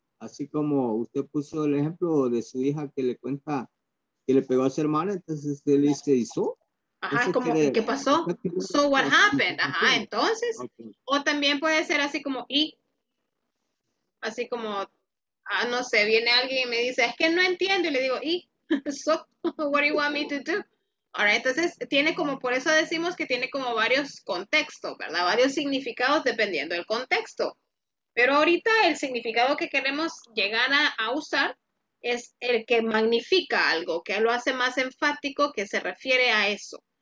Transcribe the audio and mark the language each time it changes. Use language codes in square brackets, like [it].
[es] Así como usted puso el ejemplo de su hija que le cuenta que le pegó a su hermana, entonces usted le dice, ¿y so? Ajá, como, ¿qué pasó? [en] So what happened? [es] Ajá, entonces. Okay. O también puede ser así como, ¿y? Así como, no sé, viene alguien y me dice, es que no entiendo. Y le digo, ¿y? [en] So, what do you want me to do? [es] All right, entonces, tiene como, por eso decimos que tiene como varios contextos, ¿verdad? Varios significados dependiendo del contexto. Pero ahorita el significado que queremos llegar a usar es el que magnifica algo, que lo hace más enfático, que se refiere a eso.